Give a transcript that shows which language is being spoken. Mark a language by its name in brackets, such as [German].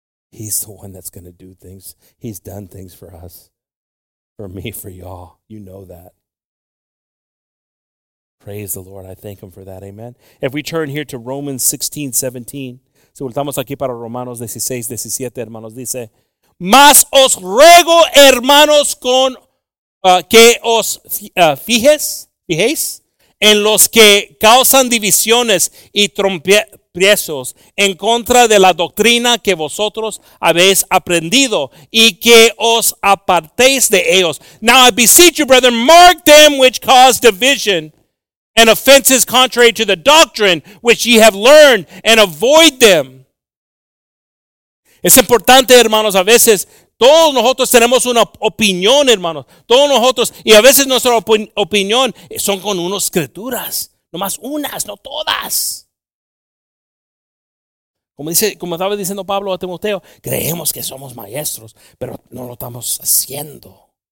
[English] He's the one that's going to do things. He's done things for us, for me, for y'all. You know that. Praise the Lord. I thank him for that. Amen. If we turn here to Romans 16:17. [Spanish] Si voltamos aquí para Romanos 16:17, hermanos, dice, mas os ruego, hermanos, con que os fijéis en los que causan divisiones y tropiezos en contra de la doctrina que vosotros habéis aprendido y que os apartéis de ellos. [English] Now I beseech you, brethren, mark them which cause division and offenses contrary to the doctrine which ye have learned, and avoid them. [Spanish] Es importante, hermanos, a veces todos nosotros tenemos una opinión, hermanos. Todos nosotros, y a veces nuestra opinión son con unas escrituras. Nomás unas, no todas. Como estaba diciendo Pablo a Timoteo, creemos que somos maestros, pero no lo estamos haciendo.